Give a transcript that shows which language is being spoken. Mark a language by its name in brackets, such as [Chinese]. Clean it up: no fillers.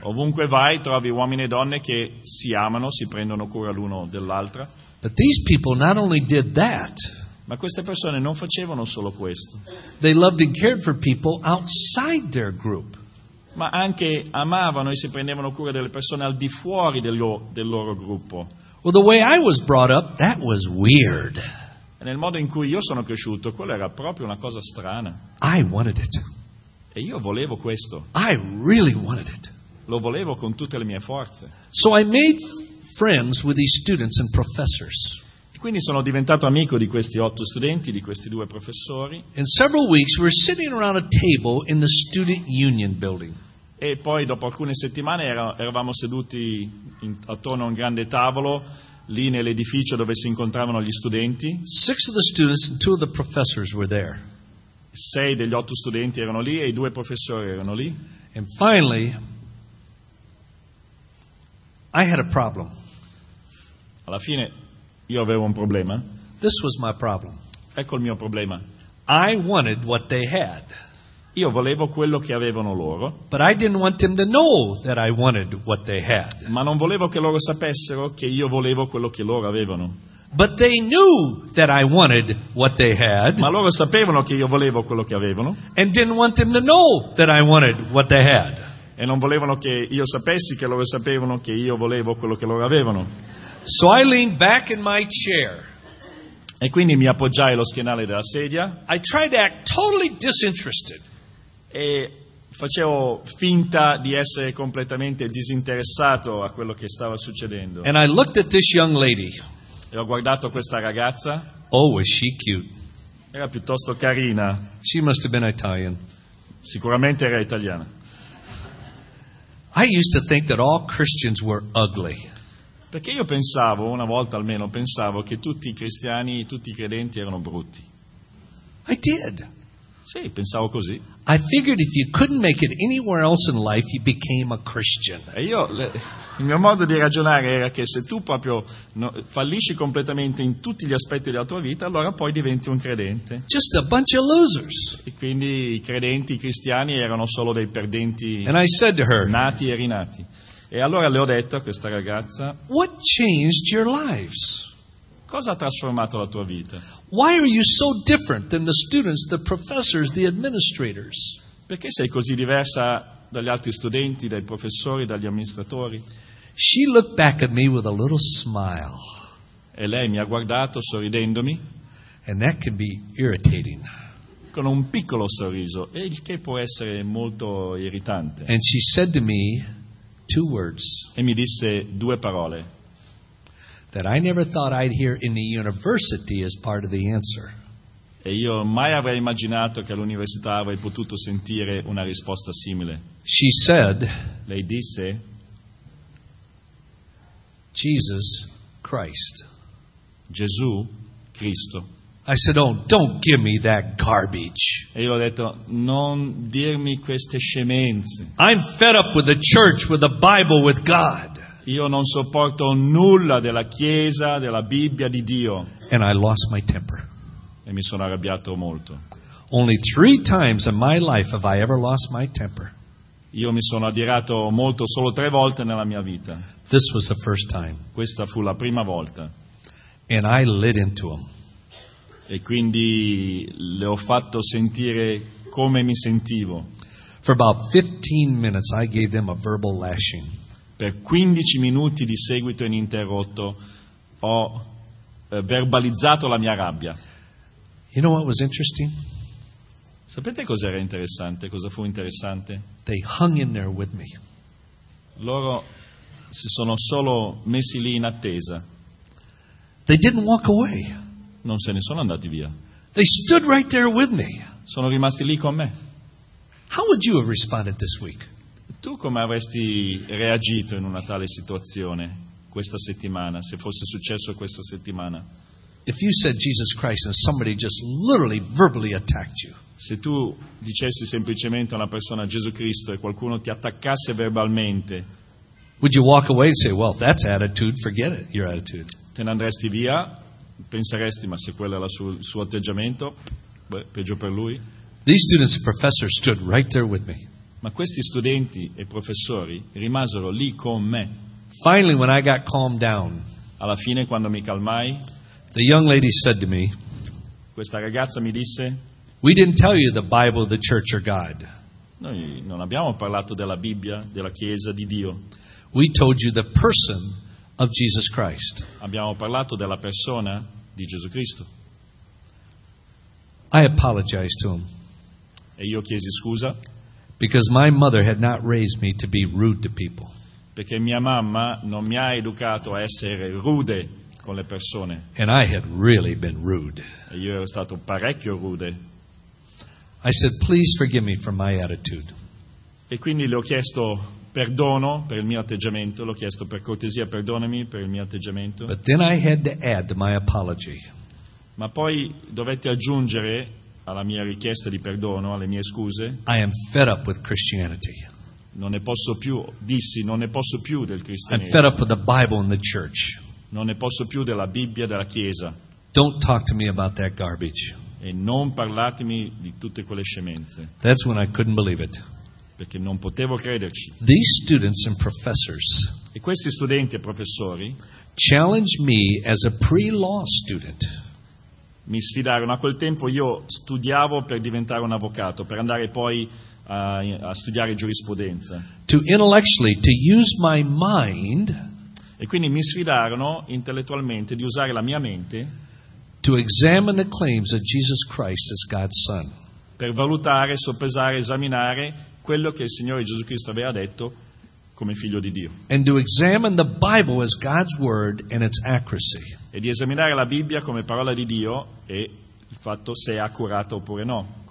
[Italian] Ovunque vai, trovi uomini e donne che si amano, si prendono cura l'uno dell'altra. [English] But these people not only did that. [Italian] Ma queste persone non facevano solo questo. [English] They loved and cared for people outside their group. [Italian] Ma anche amavano e si prendevano cura delle persone al di fuori del loro gruppo. [English] Well, the way I was brought up, that was weird. [Italian] Nel modo in cui io sono cresciuto, quella era proprio una cosa strana. [English] I wanted it. [Italian] E io volevo questo. [English] I really wanted it. [Italian] Lo volevo con tutte le mie forze. [English] So I made friends with these students and professors. [Italian] E quindi sono diventato amico di questi 8 studenti, di questi 2 professori. [English] In several weeks we're sitting around a table in the student union building. [Italian] E poi dopo alcune settimane eravamo seduti attorno a un grande tavolo lì nell'edificio dove si incontravano gli studenti. [English] 6 of the students and 2 of the professors were there. [Italian] 6 degli 8 studenti erano lì e i 2 professori erano lì. [English] And finally I had a problem. [Italian] Alla fine io avevo un problema. [English] This was my problem. [Italian] Ecco il mio problema. [English] I wanted what they had. [Italian] Io volevo quello che avevano loro. [English] But I didn't want them to know that I wanted what they had. [Italian] Ma non volevo che loro sapessero che io volevo quello che loro avevano. [English] But they knew that I wanted what they had. [Italian] Ma loro sapevano che io volevo quello che avevano. [English] And didn't want them to know that I wanted what they had. [Italian] E non volevano che io sapessi che loro sapevano che io volevo quello che loro avevano. [English] So I leaned back in my chair. [Italian] E quindi mi appoggiai allo schienale della sedia. [English] I tried to act totally disinterested. [Italian] E facevo finta di essere completamente disinteressato a quello che stava succedendo. [English] And I looked at this young lady. [Italian] E ho guardato questa ragazza. [English] Oh, was she cute. [Italian] Era piuttosto carina. [English] She must have been Italian. [Italian] Sicuramente era italiana. [English] I used to think that all Christians were ugly. [Italian] Perché io pensavo, una volta almeno, pensavo che tutti i cristiani, tutti i credenti erano brutti. [English] I did. [Italian] Sì, pensavo così. [English] I figured if you couldn't make it anywhere else in life, you became a Christian. [Italian] E io, il mio modo di ragionare era che se tu proprio fallisci completamente in tutti gli aspetti della tua vita, allora poi diventi un credente. [English] Just a bunch of losers. [Italian] E quindi i credenti, i cristiani erano solo dei perdenti. [English] And I said to her, [Italian] nati e rinati. E allora le ho detto a questa ragazza, [English] what changed your lives? [Italian] Cosa ha trasformato la tua vita? [English] Why are you so different than the students, the professors, the administrators? [Italian] Perché sei così diversa dagli altri studenti, dai professori, dagli amministratori? [English] She looked back at me with a little smile. [Italian] E lei mi ha guardato sorridendomi. [English] And that can be irritating. [Italian] Con un piccolo sorriso, e il che può essere molto irritante. [English] And she said to me, two words. [Italian] E mi disse 2 parole. [English] That I never thought I'd hear in the university as part of the answer. [Italian] E io mai avrei immaginato che all'università avrei potuto sentire una risposta simile. [English] She said, [Italian] lei disse, [English] Jesus Christ. [Italian] Gesù Cristo. [English] I said, oh, don't give me that garbage. [Italian] E io ho detto, non dirmi queste scemenze. [English] I'm fed up with the church, with the Bible, with God. [Italian] Io non sopporto nulla della Chiesa, della Bibbia, di Dio. [English] And I lost my temper. [Italian] E mi sono arrabbiato molto. [English] Only 3 times in my life have I ever lost my temper. [Italian] Io mi sono adirato molto solo 3 volte nella mia vita. [English] This was the first time. [Italian] Questa fu la prima volta. [English] And I lit into him. [Italian] E quindi le ho fatto sentire come mi sentivo. [English] For about 15 minutes I gave them a verbal lashing. [Italian] Per 15 minuti di seguito ininterrotto ho verbalizzato la mia rabbia. [English] You know what was interesting? [Italian] Sapete cos'era interessante? Cosa fu interessante? [English] They hung in there with me. [Italian] Loro si sono solo messi lì in attesa. [English] They didn't walk away. [Italian] Non se ne sono andati via. [English] They stood right there with me. [Italian] Sono rimasti lì con me. [English] How would you have responded this week? [Italian] Tu come avresti reagito in una tale situazione questa settimana, se fosse successo questa settimana? [English] If you said Jesus Christ and somebody just literally verbally attacked you. [Italian] Se tu dicessi semplicemente a una persona Gesù Cristo e qualcuno ti attaccasse verbalmente. [English] Would you walk away and say, well, that's attitude, forget it, your attitude. [Italian] Te ne andresti via, penseresti, ma se quello è il suo atteggiamento, beh, peggio per lui. [English] These students and professors stood right there with me. [Italian] Ma questi studenti e professori rimasero lì con me. [English] Finally, when I got calmed down, [Italian] alla fine, quando mi calmai, [English] the young lady said to me, [Italian] questa ragazza mi disse, [English] we didn't tell you the Bible, the church, or God. [Italian] Noi non abbiamo parlato della Bibbia, della Chiesa, di Dio. [English] We told you the person of Jesus Christ. [Italian] Abbiamo parlato della persona di Gesù Cristo. [English] I apologized to him. [Italian] E io chiesi scusa. [English] Because my mother had not raised me to be rude to people. [Italian] Perché mia mamma non mi ha educato a essere rude con le persone. [English] And I had really been rude. [Italian] E io ero stato parecchio rude. [English] I said, please forgive me for my attitude. [Italian] E quindi le ho chiesto perdono per il mio atteggiamento. L'ho chiesto per cortesia, perdonami per il mio atteggiamento. [English] But then I had to add my apology. [Italian] Ma poi dovetti aggiungere alla mia richiesta di perdono, alle mie scuse. [English] I am fed up with Christianity. [Italian] Non ne posso più, dissi, non ne posso più del cristianesimo. [English] I'm fed up with the Bible and the church. [Italian] Non ne posso più della Bibbia, della Chiesa. [English] Don't talk to me about that garbage. [Italian] E non parlatemi di tutte quelle scemenze. [English] That's when I couldn't believe it. [Italian] Perché non potevo crederci. [English] These students and professors. [Italian] E questi studenti e professori [English] challenged me as a pre-law student. [Italian] Mi sfidarono. A quel tempo io studiavo per diventare un avvocato, per andare poi a studiare giurisprudenza. [English] To intellectually to use my mind. [Italian] E quindi mi sfidarono intellettualmente di usare la mia mente. [English] To examine the claims of Jesus Christ as God's Son. [Italian] Per valutare, soppesare, esaminare quello che il Signore Gesù Cristo aveva detto come figlio di Dio. [English] And to examine the Bible as God's word and its accuracy. [Italian] E di esaminare la Bibbia come parola di Dio e il fatto se è accurata oppure no.